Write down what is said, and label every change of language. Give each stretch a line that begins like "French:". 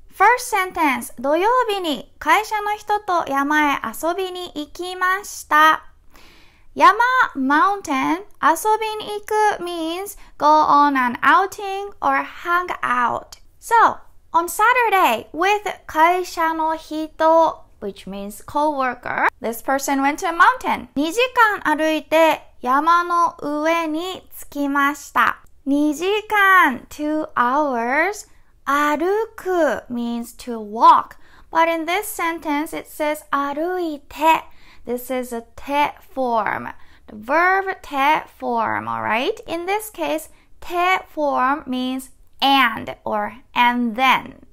English: First sentence,
Japanese: 土曜日に会社の人と山へ遊びに行きました。
English: 山、mountain,
Japanese: 遊びに行く
English: means go on an outing or hang out. So, on Saturday, with
Japanese: 会社の人,
English: which means co-worker, this person went to a mountain.
Japanese: 2時間歩いて山の上に着きました。
English: 2時間, 2 hours,歩く means to walk, but in this sentence it says 歩いて. This is a て form, the verb て form, alright? In this case, て form means and or and then.